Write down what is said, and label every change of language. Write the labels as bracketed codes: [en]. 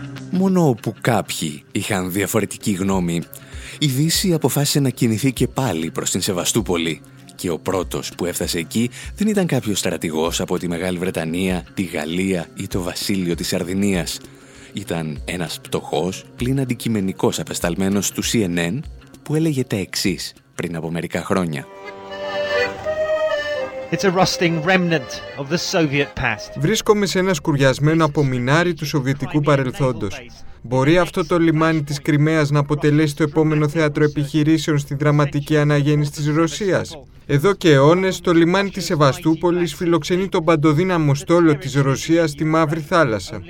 [el] Μόνο όπου κάποιοι είχαν διαφορετική γνώμη, η Δύση αποφάσισε να κινηθεί και πάλι προς την Σεβαστούπολη και ο πρώτος που έφτασε εκεί δεν ήταν κάποιος στρατηγός από τη Μεγάλη Βρετανία, τη Γαλλία ή το Βασίλειο της Σαρδινίας. Ήταν ένας πτωχός, πλην αντικειμενικός απεσταλμένος του CNN που έλεγε τα εξής πριν από μερικά χρόνια. [en] It's a rusting remnant of the Soviet past. [el] Βρίσκομαι σε ένα σκουριασμένο απομεινάρι του σοβιετικού παρελθόντος. Μπορεί αυτό το λιμάνι της Κρυμαίας να αποτελέσει το επόμενο θέατρο επιχειρήσεων στη δραματική αναγέννηση της Ρωσίας? Εδώ και αιώνες, το λιμάνι της Σεβαστούπολης φιλοξενεί τον παντοδύναμο στόλο της Ρωσίας στη Μαύρη Θάλασσα.